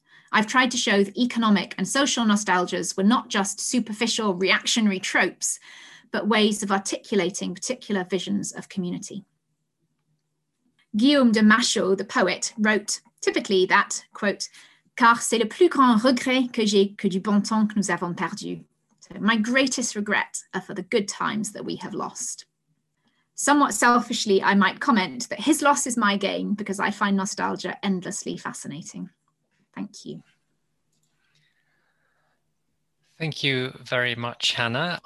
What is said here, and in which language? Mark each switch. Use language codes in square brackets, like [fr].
[en] I've tried to show that economic and social nostalgias were not just superficial reactionary tropes, but ways of articulating particular visions of community. Guillaume de Machaut, the poet, wrote typically that, quote, [fr] car c'est le plus grand regret que j'ai que du bon temps que nous avons perdu. [en] So my greatest regret are for the good times that we have lost. Somewhat selfishly, I might comment that his loss is my gain because I find nostalgia endlessly fascinating. Thank you. Thank you very much, Hannah.